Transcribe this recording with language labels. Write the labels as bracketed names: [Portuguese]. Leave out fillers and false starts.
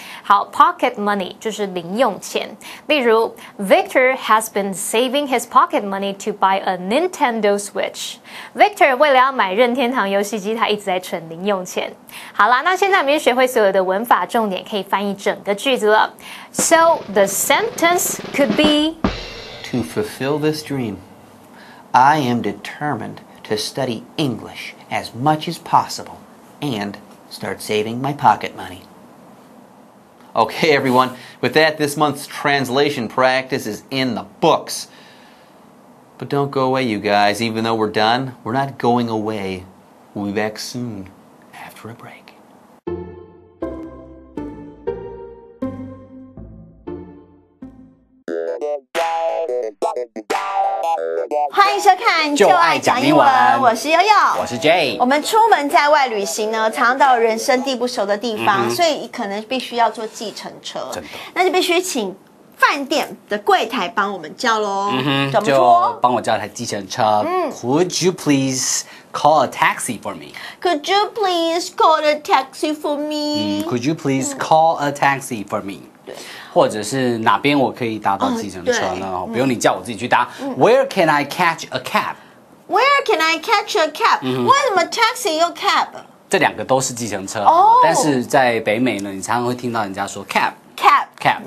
[English] 好 ，pocket money [Chinese] 就是零用钱。例如 [English] ，Victor has been saving his pocket money to buy a Nintendo Switch. [Chinese] Victor 为了要买任天堂游戏机，他一直在存零用钱。好啦，那现在我们就学会所有的文法重点，可以翻译整个句子了。 [English] So the sentence could be: To fulfill this dream, I am determined to study English as much as possible and start saving my pocket money. Okay, everyone, with that, this month's translation practice is in the books. But don't go away, you guys. Even though we're done, we're not going away. We'll be back soon after a break. [Chinese] 就爱讲英文，我是悠悠，我是 Jay。我们出门在外旅行呢，常到人生地不熟的地方，所以可能必须要坐计程车，那就必须请饭店的柜台帮我们叫咯。怎么说？就帮我叫台计程车。 [English] Could you please call a taxi for me? Could you please call a taxi for me? Could you please call a taxi for me? [Chinese] 对，或者是哪边我可以搭到计程车呢？不用你叫，我自己去搭。 [English] Where can I catch a cab? Where can I catch a cab? [Chinese] 为什么 [English] taxi 又 cab? [Chinese] 这两个都是计程车，但是在北美呢，你常常会听到人家说 cab。 [English] Cab.